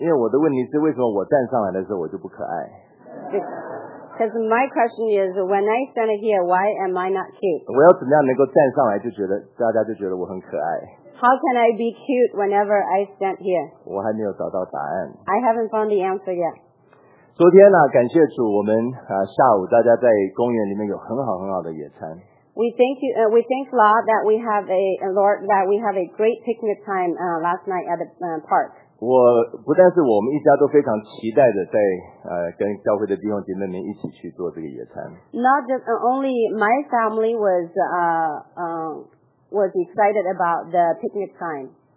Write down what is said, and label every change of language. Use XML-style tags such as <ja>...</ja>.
<zh>因为我的问题是为什么我站上来的时候我就不可爱?</zh> <en>Because my question is, when I stand here, why am I not cute?</en> <zh>我要怎么样能够站上来就觉得大家就觉得我很可爱?</zh> <en>How can I be cute whenever I stand here?</en> <zh>我还没有找到答案。</zh> <en>I haven't found the answer yet.</en> <zh>昨天啊, 感谢主, 我们, 啊, 下午, 大家在公园里面有很好很好的野餐。</zh> <en>We thank Lord that we have a great picnic time last night at the park.</en> <zh>我不但是我们一家都非常期待的在跟教会的弟兄姐妹们一起去做这个野餐.</zh> <en>Not just only my family was excited about the picnic time.</en>